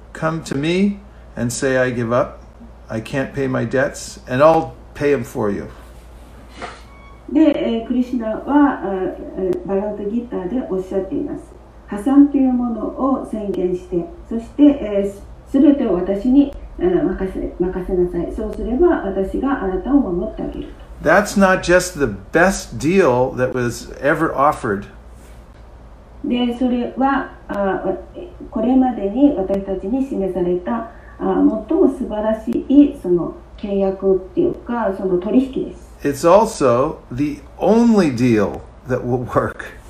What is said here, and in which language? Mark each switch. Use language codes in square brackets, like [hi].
[en] Come to me and say I give up. I can't pay my debts, and I'll pay him for you. [ja] で、クリシナはバガヴァッド・ギーターでおっしゃっています。破産というものを宣言して、そして、全てを私に任せなさい。そうすれば私があなたを守ってあげる。 [en] That's not just the best deal that was ever offered. [ja] で、それはこれまでに私たちに示された最も素晴らしいその契約っていうかその取引です。 [en] It's also the only deal that will work.